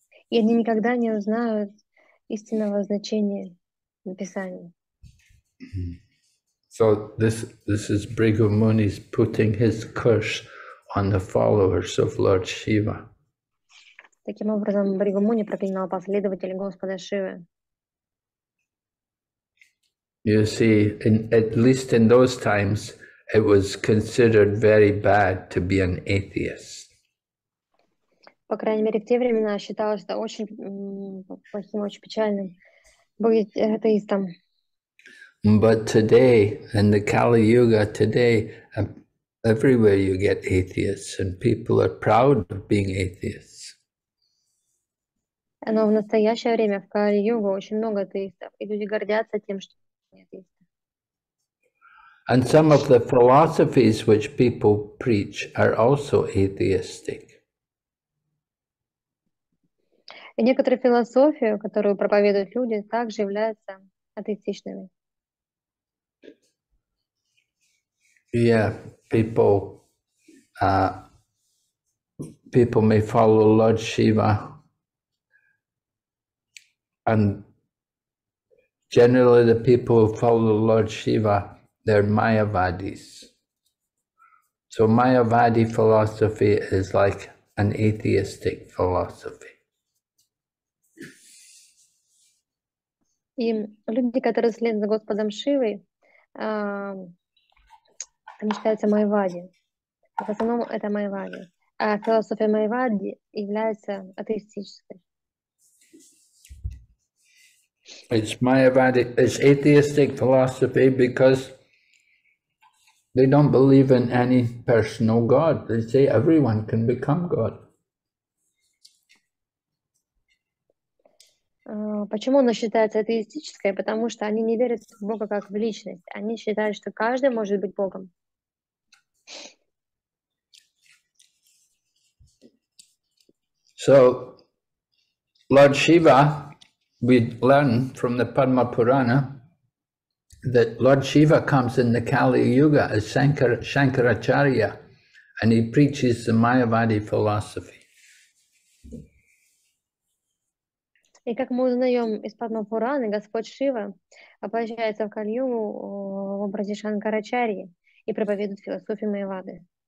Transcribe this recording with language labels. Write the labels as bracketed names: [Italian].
[Russian] И они никогда не узнают истинного значения Писания. [English] So this is Bhrigu Muni putting his curse on the followers of Lord Shiva. [Russian] Таким образом, Бригу Муни проклинал последователей Господа Шивы. [English] You see, at least in those times, it was considered very bad to be an atheist. [Russian] По крайней мере, в те времена считалось, что очень плохим, очень печальным быть атеистом. [English] But today, in the Kali Yuga today, everywhere you get atheists, and people are proud of being atheists. [Russian] Но в настоящее время в Кали-Юге очень много атеистов, и люди гордятся тем, что они атеисты. [English] And some of the philosophies which people preach are also atheistic. [Russian] И некоторые философии, которые проповедуют люди, также являются атеистичными. [English] Yeah, people may follow Lord Shiva, and generally the people who follow Lord Shiva, they're Mayavadis. So Mayavadi philosophy is like an atheistic philosophy. [Russian] И люди, которые следуют за Господом Шивой, они считаются майвади. В основном это майвади. А философия майвади является атеистической. [English] It's майвади, it's atheistic philosophy because they don't believe in any personal God. They say everyone can become God. [Russian] Почему она считается атеистической? Потому что они не верят в Бога как в личность. Они считают, что каждый может быть Богом. [English] So, Lord Shiva, we learn from the Padma Purana that Lord Shiva comes in the Kali Yuga as Shankaracharya, and he preaches the Mayavadi philosophy. [Russian] И как мы узнаем из Падма Пураны, Господь Шива воплощается в Кали-Югу в образе Шанкарачарьи и проповедует философию Майявады.